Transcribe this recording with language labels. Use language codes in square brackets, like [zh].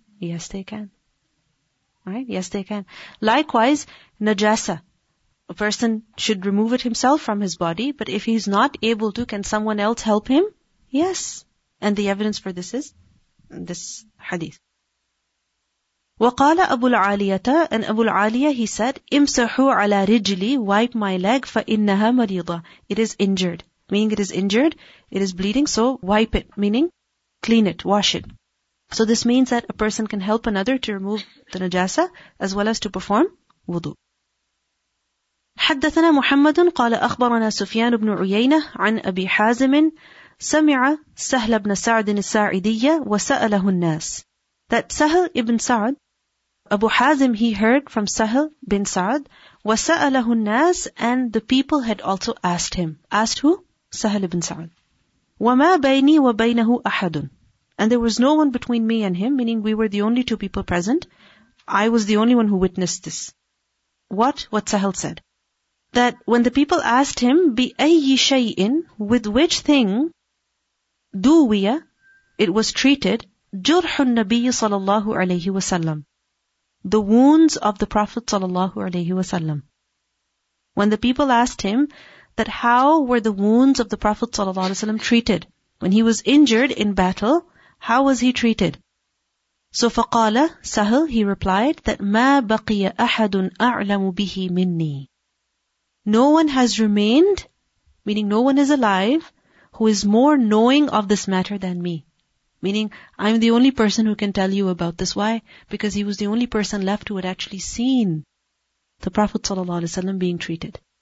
[en] Yes, they can. Right? Yes, they can. Likewise, najasa. A person should remove it himself from his body. But if he's not able to, can someone else help him? Yes. And the evidence for this is this hadith. [ar] وقال أبو العالية, [en] and [ar] أبو العالية, [en] he said, [ar] امسحوا على رجلي, [en] wipe my leg, [ar] فإنها مريضة. [en] It is injured. Meaning it is injured, it is bleeding, so wipe it. Meaning clean it, wash it. So this means that a person can help another to remove the najasa as well as to perform wudu. [ar] حدثنا محمد قال أخبرنا سفيان بن عيينة عن أبي حازم سمع سهل بن سعد الساعدية وسأله الناس. [en] That Sahl ibn Sa'd, Abu Hazim, he heard from Sahl bin Sa'd, [ar] وَسَأَلَهُ النَّاسِ, [en] and the people had also asked him. Asked who? Sahl ibn Sa'd. [ar] وَمَا بَيْنِي وَبَيْنَهُ أَحَدٌ, [en] and there was no one between me and him, meaning we were the only two people present. I was the only one who witnessed this. What Sahl said? That when the people asked him, [ar] بِأَيِّ شَيْءٍ, [en] with which thing, [ar] دُوِيَ, [en] it was treated, [ar] جُرْحُ النَّبِيِّ صَلَى اللَّهُ عَلَيْهِ وَسَلَّمُ, [en] the wounds of the Prophet sallallahu alaihi wasallam. When the people asked him that how were the wounds of the Prophet sallallahu alaihi wasallam treated when he was injured in battle, how was he treated? [ar] So فقال سهل, [en] he replied that [ar] ما بقي أحد أعلم به مني. [en] No one has remained, meaning no one is alive, who is more knowing of this matter than me. Meaning, I'm the only person who can tell you about this. Why? Because he was the only person left who had actually seen the Prophet ﷺ being treated.